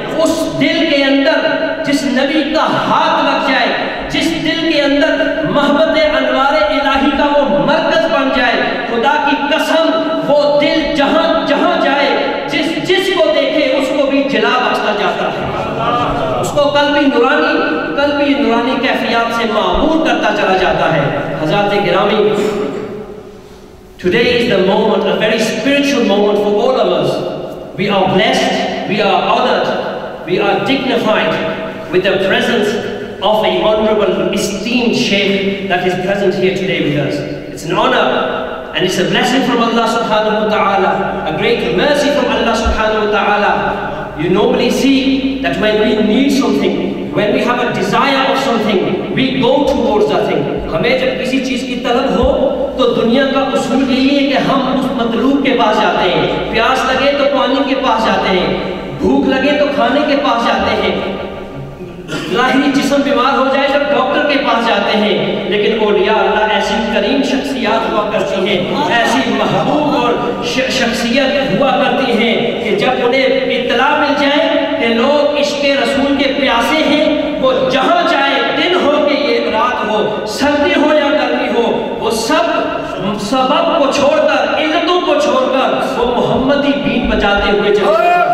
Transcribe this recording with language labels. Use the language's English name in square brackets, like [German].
[Hindi] उस दिल के अंदर जिस नबी का हाथ लग जाए, जिस दिल के अंदर मोहब्बत अनवारे इलाही का वो मरकज बन जाए, खुदा की कसम वो दिल जहां जहां जाए जिस जिस को देखे उसको भी जला बचता जाता है, उसको कल्बी नूरानी कैफियत से मामूर करता चला जाता है। [English] हजरत गिरामी, Today is the moment, a very spiritual moment for all of us. We are blessed, we are honored, we are dignified with the presence of an honorable, esteemed Shaykh that is present here today with us. It's an honor and it's a blessing from Allah subhanahu wa ta'ala, a great mercy from Allah subhanahu wa ta'ala. You normally see that when we need something, when we have a desire of something, we go towards that thing. [Hindi] हमें जब किसी चीज की तलब हो तो दुनिया का उसूल यही है कि हम उस मतलूब के पास जाते हैं। प्यास लगे तो पानी के पास जाते हैं, भूख लगे तो खाने के पास जाते हैं, लाही जिस्म बीमार हो जाए तब डॉक्टर के पास जाते हैं। लेकिन औलिया अल्लाह ऐसी करीम शख्सियत हुआ करती हैं, ऐसी महबूब और शख्सियत हुआ करती हैं कि जब उन्हें इत्तला मिल जाए कि लोग इश्क़े रसूल के प्यासे हैं, वो जहाँ जाए, दिन हो कि ये रात हो, सर्दी हो या गर्मी हो, वो सब सबब को छोड़कर, इज्जतों को छोड़कर वो मोहम्मदी बीन बजाते हुए जाते।